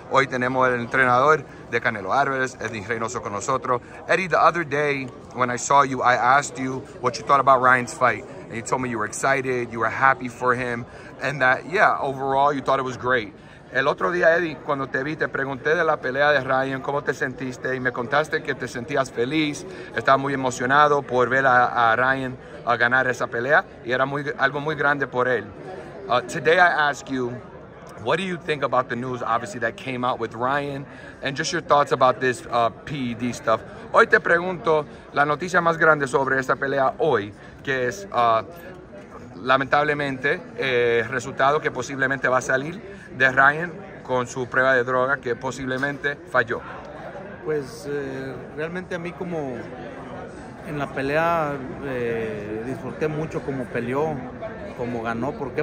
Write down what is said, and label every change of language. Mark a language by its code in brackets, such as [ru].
[es] Hoy tenemos el entrenador de Canelo Alvarez, Eddie Reynoso, con nosotros. [en] Eddie, the other day when I saw you, I asked you what you thought about Ryan's fight. And you told me you were excited, you were happy for him, and that, yeah, overall, you thought it was great. [es] El otro día, Eddie, cuando te vi, te pregunté de la pelea de Ryan, cómo te sentiste, y me contaste que te sentías feliz, estaba muy emocionado por ver a Ryan a ganar esa pelea, y era muy, algo muy grande por él. [en] Today, I ask you, what do you think about the news, obviously, that came out with Ryan, and just your thoughts about this PED stuff? [es] Hoy te pregunto la noticia más grande sobre esta pelea hoy, que es, lamentablemente, el resultado que posiblemente va a salir de Ryan con su prueba de droga, que posiblemente falló. Pues realmente a mí, como en la pelea, disfruté mucho como peleó, como ganó. ¿Por qué?